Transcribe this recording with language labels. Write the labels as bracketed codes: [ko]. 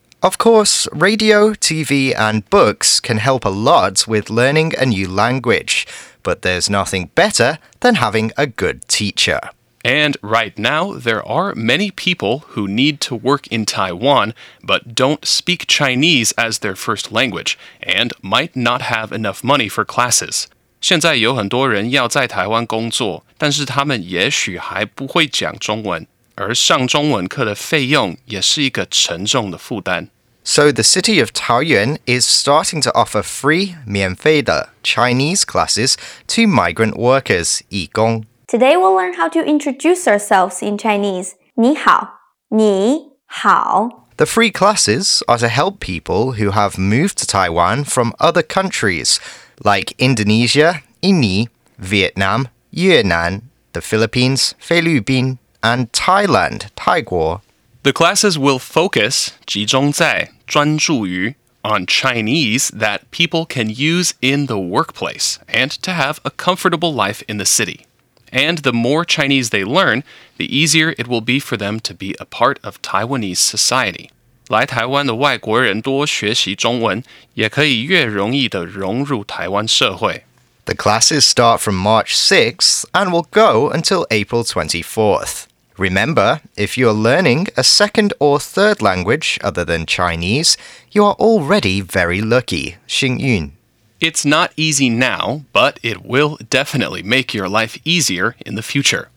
[en] Of course, radio, TV, and books can help a lot with learning a new language, but there's nothing better than having a good teacher. And right now, there are many people who need to work in Taiwan but don't speak Chinese as their first language and might not have enough money for classes. [zh] 现在有很多人要在台湾工作,但是他们也许还不会讲中文,而上中文课的费用也是一个沉重的负担。 [en] So the city of Taoyuan is starting to offer free, 免费的 Chinese classes to migrant workers, 移工。 Today we'll learn how to introduce ourselves in Chinese. [zh] 你好,你好。 [en] The free classes are to help people who have moved to Taiwan from other countries, like Indonesia, 印尼, Vietnam, 越南, the Philippines, 菲律宾, and Thailand, 泰国。 The classes will focus, 集中在,专注于, on Chinese that people can use in the workplace and to have a comfortable life in the city. And the more Chinese they learn, the easier it will be for them to be a part of Taiwanese society. [zh] 来台湾的外国人多学习中文，也可以越容易地融入台湾社会。 [en] The classes start from March 6th and will go until April 24th. Remember, if you are learning a second or third language other than Chinese, you are already very lucky. [zh] 幸运。 [en] It's not easy now, but it will definitely make your life easier in the future.